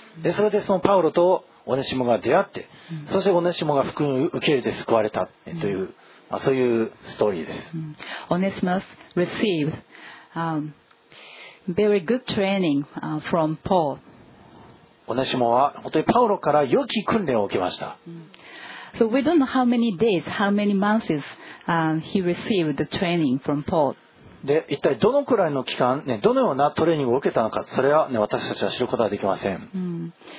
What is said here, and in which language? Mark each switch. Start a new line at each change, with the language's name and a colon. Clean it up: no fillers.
Japanese: で、それでそのパウロとオネシモが出会って、そしてオネシモが福音を受け入れて救われた、という、まあ、そういうストーリーです。
English: Onesimus received very good training from Paul.
Japanese: オネシモは本当にパウロから良き訓練を受けました。
English: So we don't know how many days, how many months he received the training from Paul.
Japanese: で、一体どのくらいの期間、ね、どのようなトレーニングを受けたのか、それは、ね、私たちは知ることはできません。